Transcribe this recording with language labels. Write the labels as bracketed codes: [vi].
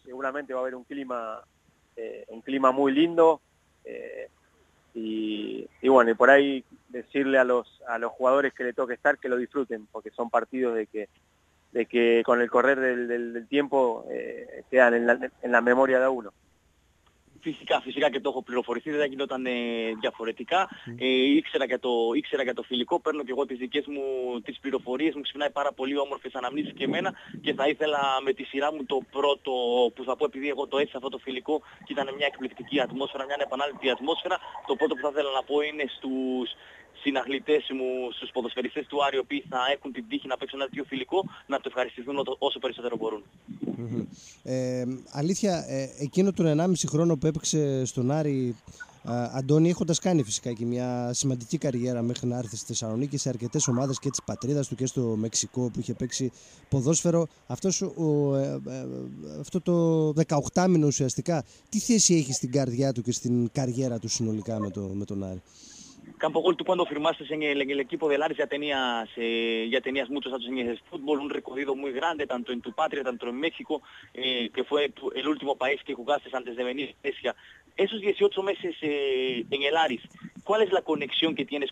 [es] Seguramente va a haber un clima muy lindo. Y bueno, y por ahí decirle a los jugadores que le toque estar que lo disfruten, porque son partidos de que con el correr del tiempo quedan en la memoria de uno. [el] Φυσικά, φυσικά και το έχω πληροφορηθεί, δεν θα γινόταν διαφορετικά. Ήξερα και το φιλικό, παίρνω και εγώ τις πληροφορίες μου, ξυπνάει πάρα πολύ όμορφες αναμνήσεις και εμένα, και θα ήθελα με τη σειρά μου το πρώτο που θα πω, επειδή εγώ το έτσι αυτό το φιλικό και ήταν μια εκπληκτική ατμόσφαιρα, μια ανεπανάληπτη ατμόσφαιρα, το πρώτο που θα ήθελα να πω είναι στους συναθλητές μου, στους ποδοσφαιριστές του Άρη, οι οποίοι θα έχουν την τύχη να παίξουν ένα τέτοιο φιλικό, να το ευχαριστηθούν όσο περισσότερο μπορούν. Αλήθεια, εκείνο τον 1,5 χρόνο που έπαιξε στον Άρη, Αντώνη, έχοντας κάνει φυσικά και μια σημαντική καριέρα μέχρι να έρθει στη Θεσσαλονίκη σε αρκετές ομάδες και της πατρίδας του και στο Μεξικό που είχε παίξει ποδόσφαιρο, αυτό το 18μηνο ουσιαστικά, τι θέση έχει στην καρδιά του και στην καριέρα του συνολικά με τον Άρη? [es] Campogol, tú cuando firmaste en el equipo del Ares ya tenías muchos años en el fútbol, un recorrido muy grande, tanto en tu patria, tanto en México, que fue el último país que jugaste antes de venir a Grecia. Esos 18 meses en el Ares, ¿cuál es la conexión que tienes?